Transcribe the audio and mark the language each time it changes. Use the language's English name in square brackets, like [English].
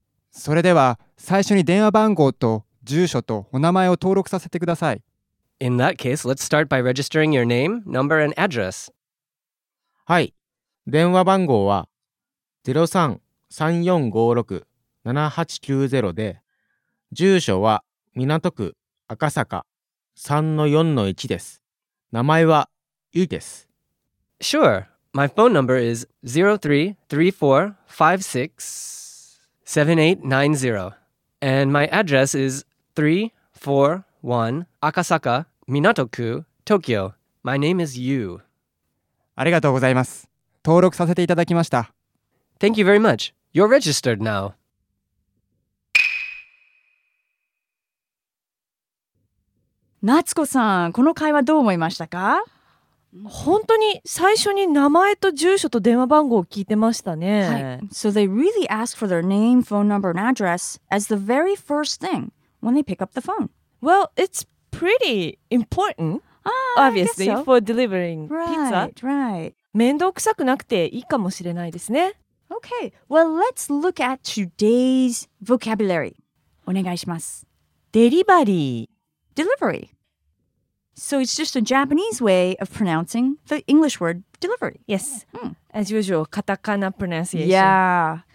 [Japanese] それでは、最初に電話番号と住所とお名前を登録させてください。 [English] In that case, let's start by registering your name, number, and address. [Japanese] はい。電話番号は 03-3456-7890 で、住所は港区赤坂 3-4-1 です。名前はゆいです。 [English] Sure. My phone number is 03-3456-7890. And my address is 341 Akasaka, Minato-ku, Tokyo. My name is Yu. [Japanese] ありがとうございます。登録させていただきました。 [English] Thank you very much. You're registered now. [Japanese] Natsuko-san, この会話どう思いましたか？本当に最初に名前と住所と電話番号を聞いてましたね。はい。 [English] So they really ask for their name, phone number, and address as the very first thing when they pick up the phone. Well, it's pretty important, obviously, for delivering pizza. Right. [Japanese] 面倒くさくなくていいかもしれないですね。 [English] Okay. Well, let's look at today's vocabulary. [Japanese] お願いします。 [English] Delivery. Delivery. So it's just a Japanese way of pronouncing the English word delivery. Yes. Mm. As usual, katakana pronunciation. Yeah.